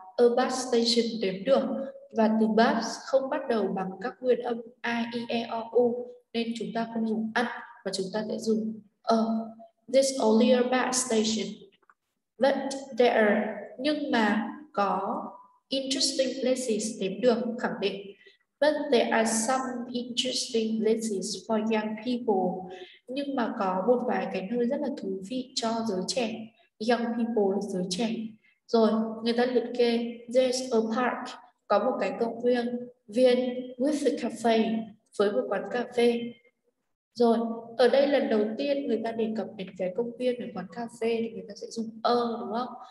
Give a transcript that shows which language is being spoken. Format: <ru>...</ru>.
<vi>A bus station đếm được, và từ bus không bắt đầu bằng các nguyên âm I, E, E, O, U, nên chúng ta không dùng an mà chúng ta sẽ dùng a.</vi> <en>This only a bus station, but there are,</en> <vi>nhưng mà có</vi> <en>interesting places</en> <vi>đếm được, khẳng định.</vi> <en>But there are some interesting places for young people.</en> <vi>Nhưng mà có một vài cái nơi rất là thú vị cho giới trẻ. Young people là giới trẻ. Rồi, người ta liệt kê.</vi> <en>There's a park.</en> <vi>Có một cái công viên. Viên</vi> <en>with a cafe.</en> <vi>Với một quán cà phê. Rồi, ở đây lần đầu tiên người ta đề cập đến cái công viên với quán cà phê thì người ta sẽ dùng a, đúng không?</vi>